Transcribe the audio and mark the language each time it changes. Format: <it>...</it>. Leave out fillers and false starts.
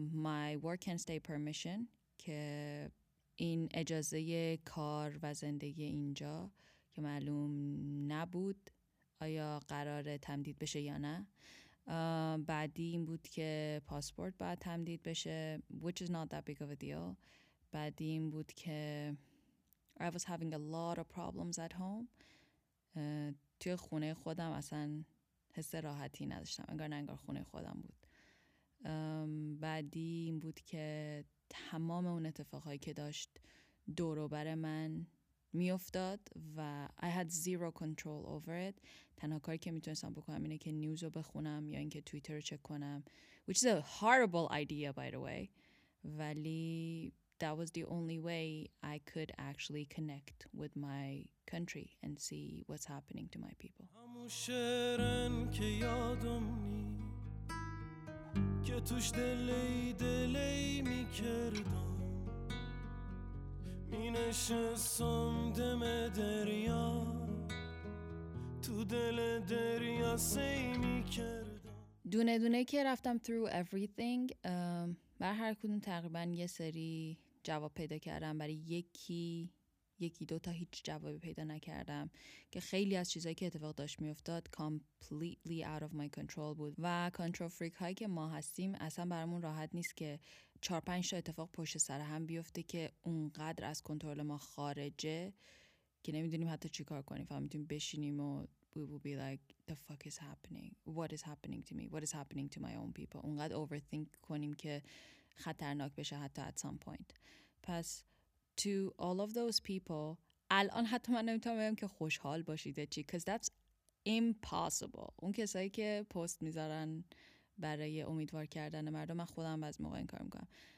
<en>My work and stay permission</en> <fa>که این اجازه کار و زندگی اینجا که معلوم نبود آیا قرار تمدید بشه یا نه. بعدی این بود که پاسپورت باید تمدید بشه</fa> <en>which is not that big of a deal.</en> <fa>بعدی این بود که</fa> <en>I was having a lot of problems at home.</en> <fa>توی خونه خودم اصلا حس راحتی نداشتم، انگار نه انگار خونه خودم بود. بعدی این بود که تمام اون اتفاقهایی که داشت دوروبر من می افتاد و</fa> <en>I had zero control over it.</en> <fa>تنها کاری که میتونستم بکنم اینه که نیوز رو بخونم یا اینکه تویتر رو چک کنم،</fa> <en>which is a horrible idea by the way. ولی that was the only way I could actually connect with my country and see what's happening to my people.</en> <fa>همون شعرن که یادم نی که توش دلی می کردم، می نشستم دم دریا، تو دل دریا سی می کردم. دونه دونه که رفتم</fa> <en>through everything،</en> <fa>بر هر کدوم تقریبا یه سری جواب پیدا کردم، برای یکی دوتا هیچ جوابی پیدا نکردم که خیلی از چیزایی که اتفاق داشت می افتاد</fa> <en>completely out of my control</en> <fa>بود و control freak هایی که ما هستیم اصلا برامون راحت نیست که 4-5 تا اتفاق پشت سر هم بیفته که اونقدر از کنترل ما خارجه که نمیدونیم حتی چی کار کنیم. فقط میتونیم بشینیم و</fa> <en>we will be like the fuck is happening, what is happening to me, what is happening to my own people.</en> <fa>اونقدر overthink کنیم که خطرناک بشه حتی</fa> <en>at some point.</en> <fa>پس</fa> <en>to all of those people</en> <fa>الان حتی من نمیتونم بگم که خوشحال باشید چی،</fa> <en>because that's impossible.</en> <fa>اون کسایی که پست میذارن برای امیدوار کردن مردم، من خودم از موقع این کار میکنم.</fa>